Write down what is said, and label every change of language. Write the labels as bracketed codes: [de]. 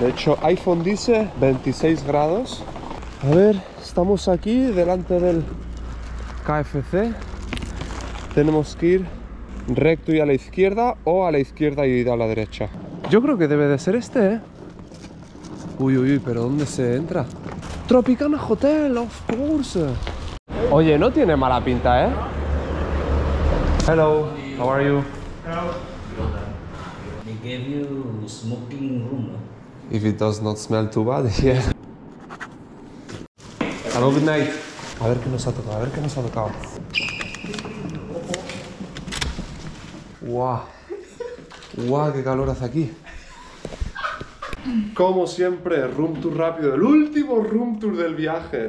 [es] De hecho, iPhone dice 26 grados. A ver, estamos aquí delante del KFC. Tenemos que ir recto y a la izquierda o a la izquierda y a la derecha. Yo creo que debe de ser este, ¿eh? Uy, uy, uy, pero ¿dónde se entra? [en] Tropicana Hotel, of course. [es] Oye, no tiene mala pinta, ¿eh? [en] Hello, how are you? Hello. They gave you smoking room. If it does not smell too bad, yeah. Hello, good night. [es] A ver qué nos ha tocado, a ver qué nos ha tocado. ¡Guau! ¡Guau, qué calor hace aquí! Como siempre, room tour rápido, el último room tour del viaje.